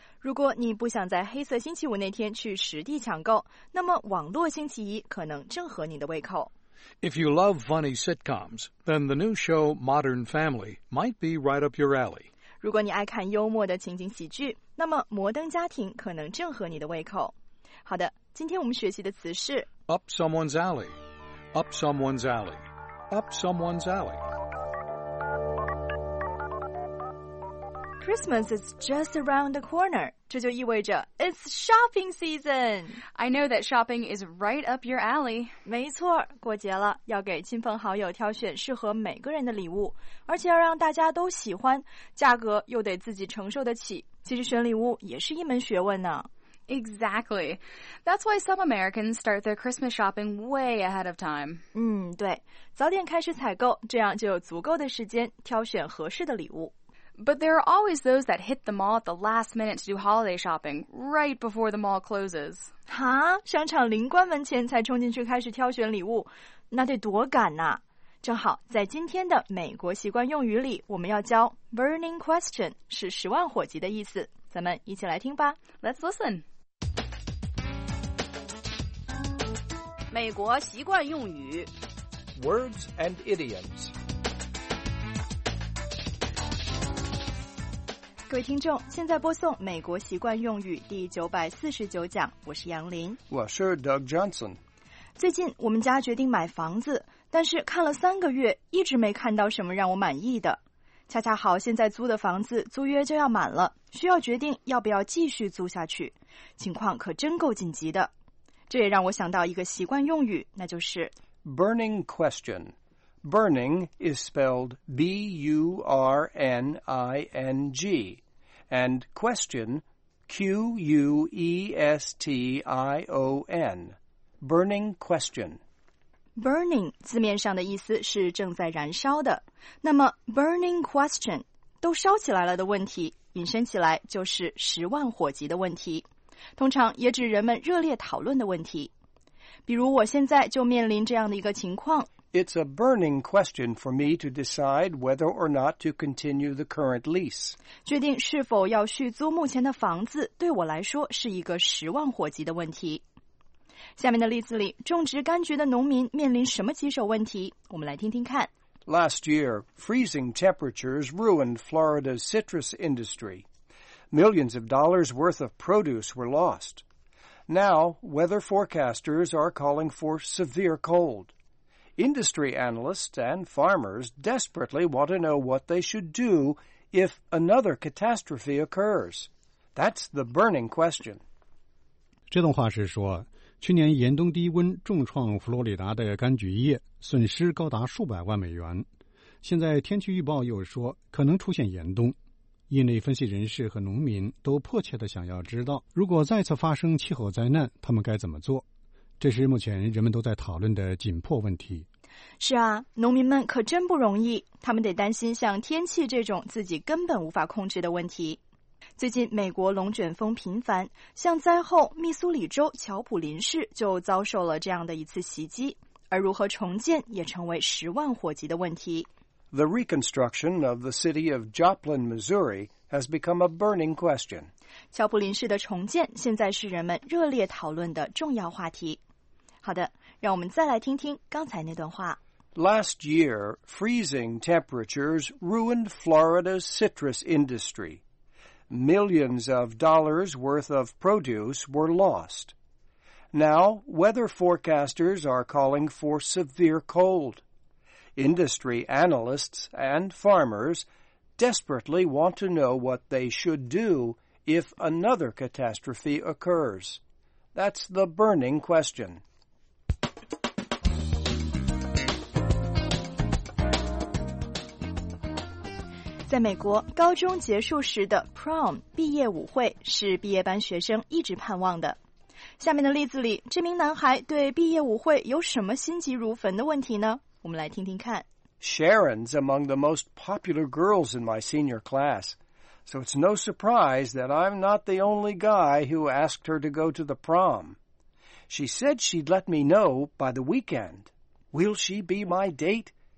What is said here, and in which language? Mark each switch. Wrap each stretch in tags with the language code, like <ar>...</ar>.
<zh>如果你不想在黑色星期五那天去实地抢购，那么网络星期一可能正合你的胃口。</zh> <en>If you love funny sitcoms, then the new show Modern Family might be right up your alley.</en> <zh>如果你爱看幽默的情景喜剧，那么摩登家庭可能正合你的胃口。好的，今天我们学习的词是</zh> <en>up someone's alley, up someone's alley, up someone's alley. Christmas is just around the corner.</en> <zh>这就意味着</zh> <en>it's shopping season. I know that shopping is right up your alley.</en> <zh>没错，过节了，要给亲朋好友挑选适合每个人的礼物，而且要让大家都喜欢，价格又得自己承受得起。其实选礼物也是一门学问呢。</zh> <en>Exactly. That's why some Americans start their Christmas shopping way ahead of time.</en> <zh>对，早点开始采购，这样就有足够的时间挑选合适的礼物。</zh> <en>But there are always those that hit the mall at the last minute to do holiday shopping, right before the mall closes.</en> <zh>哈？商场临关门前才冲进去开始挑选礼物，那得多赶啊！正好在今天的美国习惯用语里，我们要教 burning question, 是十万火急的意思。咱们一起来听吧。</zh> <en>Let's listen.</en> <zh>美国习惯用语</zh> <en>Words and idioms.</en> <zh>各位听众，现在播送美国习惯用语第949讲，我是杨林。我是 Doug Johnson。最近我们家决定买房子，但是看了三个月一直没看到什么让我满意的。恰恰好现在租的房子租约就要满了，需要决定要不要继续租下去，情况可真够紧急的。这也让我想到一个习惯用语，那就是</zh> <en>Burning questionBurning is spelled B-U-R-N-I-N-G, and question, Q-U-E-S-T-I-O-N, burning question.</en> <zh>Burning 字面上的意思是正在燃烧的，那么 burning question, 都烧起来了的问题，引申起来就是十万火急的问题，通常也指人们热烈讨论的问题。比如我现在就面临这样的一个情况，</zh> <en>It's a burning question for me to decide whether or not to continue the current lease.</en> <zh>决定是否要续租目前的房子对我来说是一个十万火急的问题。下面的例子里，种植柑橘的农民面临什么棘手问题？我们来听听看。</zh> <en>Last year, freezing temperatures ruined Florida's citrus industry. Millions of dollars worth of produce were lost. Now, weather forecasters are calling for severe cold. Industry analysts and farmers desperately want to know what they should do if another catastrophe occurs. That's the burning question.</en> <zh>这段话是说，去年严冬低温重创佛罗里达的柑橘业，损失高达数百万美元。现在天气预报又说可能出现严冬，业内分析人士和农民都迫切地想要知道，如果再次发生气候灾难，他们该怎么做。这是目前人们都在讨论的紧迫问题。是啊，农民们可真不容易，他们得担心像天气这种自己根本无法控制的问题。最近美国龙卷风频繁，像灾后密苏里州乔普林市就遭受了这样的一次袭击，而如何重建也成为十万火急的问题。</zh> <en>The reconstruction of the city of Joplin, Missouri has become a burning question.</en> <zh>乔普林市的重建现在是人们热烈讨论的重要话题。好的，让我们再来听听刚才那段话。</zh> <en>Last year, freezing temperatures ruined Florida's citrus industry. Millions of dollars worth of produce were lost. Now, weather forecasters are calling for severe cold. Industry analysts and farmers desperately want to know what they should do if another catastrophe occurs. That's the burning question.</en> <zh>在美国，高中结束时的 prom 毕业舞会是毕业班学生一直盼望的。下面的例子里，这名男孩对毕业舞会有什么心急如焚的问题呢？我们来听听看。</zh> <en>Sharon's among the most popular girls in my senior class, so it's no surprise that I'm not the only guy who asked her to go to the prom. She said she'd let me know by the weekend. Will she be my date?</en>